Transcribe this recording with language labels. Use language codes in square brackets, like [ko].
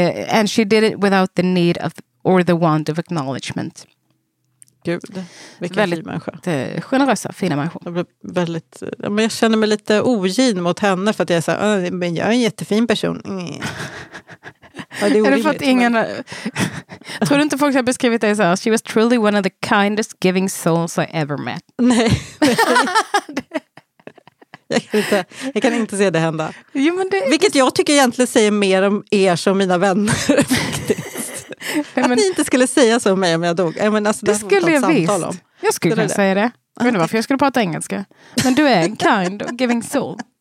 [en] And she did it without the need of or the want of acknowledgement. [sv] Gud, vilken väldigt, fin människa. Generösa, fina människor. Jag blev väldigt, men jag känner mig lite ogin mot henne för att jag är så här, men jag är en jättefin person. Ja, det är det för att ingen, tror du inte folk har beskrivit dig så här? [en] She was truly one of the kindest giving souls I ever met. [sv] Nej. Jag kan inte se det hända. Jo, men det, vilket jag tycker egentligen säger mer om er som mina vänner. Nej, men, att ni inte skulle säga så om mig om jag dog. Nej, men alltså, det skulle jag visst. Jag skulle kunna säga det. Jag vet inte varför jag skulle prata engelska. Men du är en [en] kind of giving soul.